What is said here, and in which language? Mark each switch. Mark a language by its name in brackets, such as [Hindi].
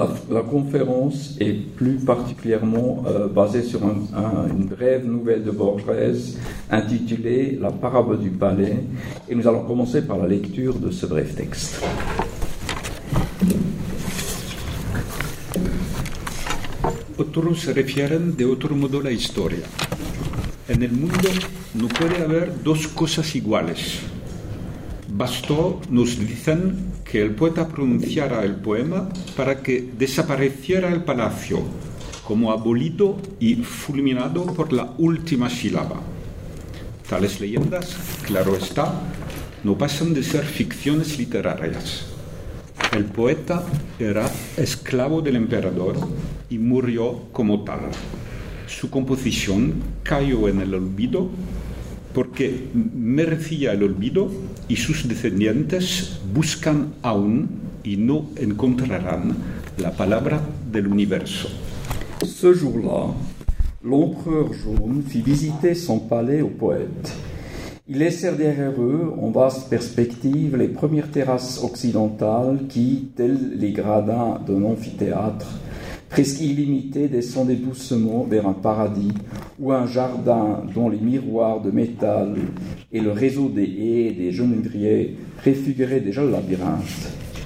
[French] La conférence est plus particulièrement basée sur une brève nouvelle de Borges intitulée « La parabole du palais » et nous allons commencer par la lecture de ce bref texte. [Spanish] Otros se refieren de otro modo la historia. En el mundo no puede haber dos cosas iguales. Bastó, nos dicen, que el poeta pronunciara el poema para que desapareciera el palacio, como abolido y fulminado por la última sílaba. Tales leyendas, claro está, no pasan de ser ficciones literarias. El poeta era esclavo del emperador y murió como tal. Su composición cayó en el olvido porque merecía el olvido y sus descendientes buscan aún y no encontrarán la palabra del universo. [French] Ce jour-là, l'empereur Jaune fit visiter son palais au poète. Ils laissèrent derrière eux, en vaste perspective, les premières terrasses occidentales qui, tels les gradins d'un amphithéâtre, presque illimité descendait doucement vers un paradis ou un jardin dont les miroirs de métal et le réseau des haies et des genévriers préfiguraient déjà le labyrinthe.